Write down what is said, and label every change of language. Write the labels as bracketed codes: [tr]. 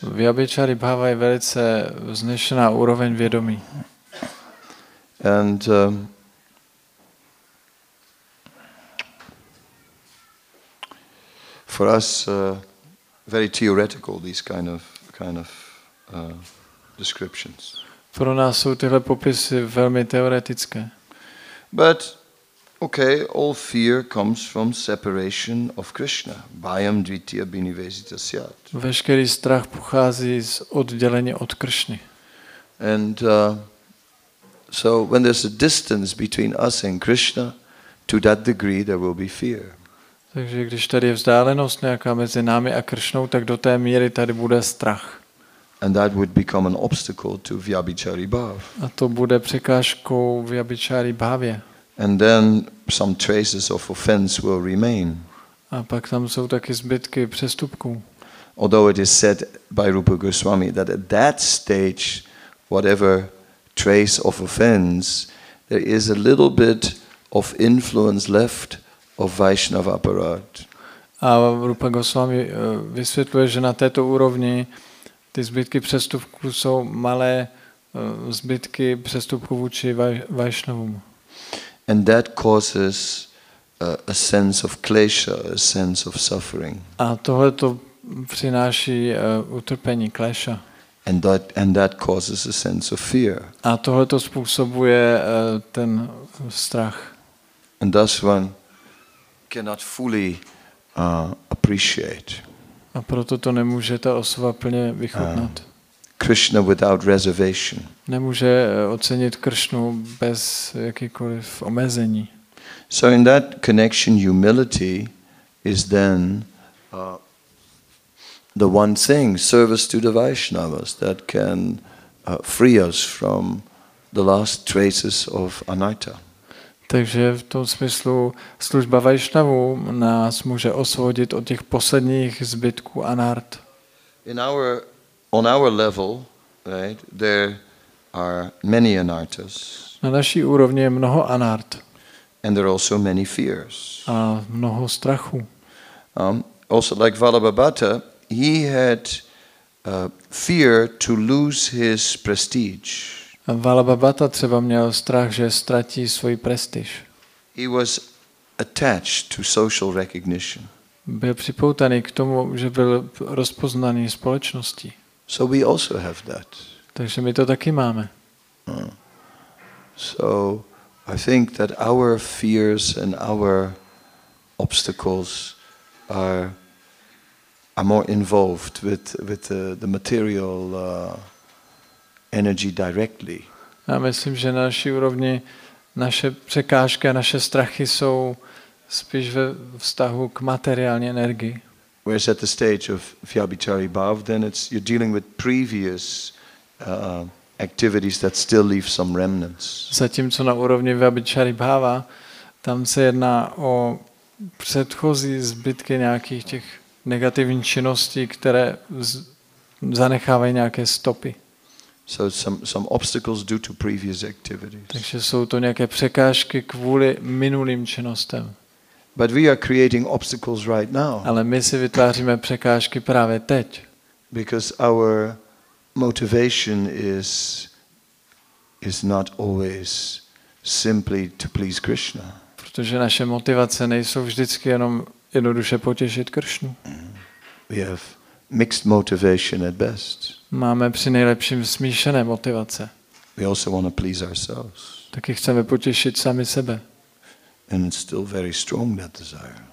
[cs] Vyabhichari bhava je velice vznešená úroveň vědomí. [en] And for us very theoretical these kind of descriptions. [cs] Pro nás jsou tyhle popisy velmi teoretické. [en] But okay, all fear comes from separation of Krishna. [sa] Bhayam dvitiya binivesitasyat. [cs] Veškerý strach pochází z oddělení od Kršny. [en] And so when there's a distance between us and Krishna, to that degree there will be fear. [cs] Takže když tady je vzdálenost nějaká mezi námi a Kršnou, tak do té míry tady bude strach. [en] And that would become an obstacle to vyabhichari bhav. [cs] A to bude překážkou vyabhichari bhavě. [en] And then some traces of offense will remain. [cs] A pak tam jsou taky zbytky přestupků. [en] Although it is said by Rupa Goswami that at that stage, whatever trace of offense, there is a little bit of influence left of Vaishnava aparat. [cs] A Rupa Goswami vysvětluje, že na této úrovni ty zbytky přestupků jsou malé zbytky přestupků vůči Vaishnavům. [en] And that causes a sense of klesha, a sense of suffering. [cs] A tohle to přináší utrpení, klesha. [en] And that causes a sense of fear. [cs] A tohle to způsobuje ten strach. [en] And thus one cannot fully appreciate. [cs] A proto to nemůže ta osoba plně vychutnat. [en] Krishna without reservation. [cs] Nemůže ocenit Kršnu bez jakýkoliv omezení. [en] So in that connection, humility is then the one thing, service to the Vaishnavas, that can free us from the last traces of anatta. [cs] Takže v tom smyslu služba Vaishnavu nás může osvobodit od těch posledních zbytků anart. [en] On our level, right, there are many anartas. [cs] Na naší úrovni je mnoho anart. [en] And there are also many fears. [cs] A mnoho strachu. [en] Also like Vallabhabhata, he had fear to lose his prestige. [cs] A Vallabhabhata třeba měl strach, že ztratí svůj prestiž. [en] He was attached to social recognition. [cs] Byl připoutaný k tomu, že byl rozpoznaný společností. [en] So we also have that. [cs] Takže my to taky máme. [en] So I think that our fears and our obstacles are more involved with the material energy directly. [cs] Já myslím, že na naší úrovni naše překážky a naše strachy jsou spíš ve vztahu k materiální energii. [en] Whereas at the stage of vyabhichari bhav, then it's you're dealing with previous activities that still leave some remnants. [cs] Zatímco na úrovni vyabhichari bhava, tam se jedná o předchozí zbytky nějakých těch negativních činností, které zanechávají nějaké stopy. [en] So some obstacles due to previous activities. [cs] Takže jsou to nějaké překážky kvůli minulým činnostem. [en] But we are creating obstacles right now. [cs] Ale my si vytváříme překážky právě teď. [en] Because our motivation is not always simply to please Krishna. [cs] Protože naše motivace nejsou vždycky jenom jednoduše potěšit Kršnu. [en] We have mixed motivation at best. [cs] Máme při nejlepším smíšené motivace. [en] We also want to please ourselves. [cs] Taky chceme potěšit sami sebe. [en] And it's still very strong, that desire.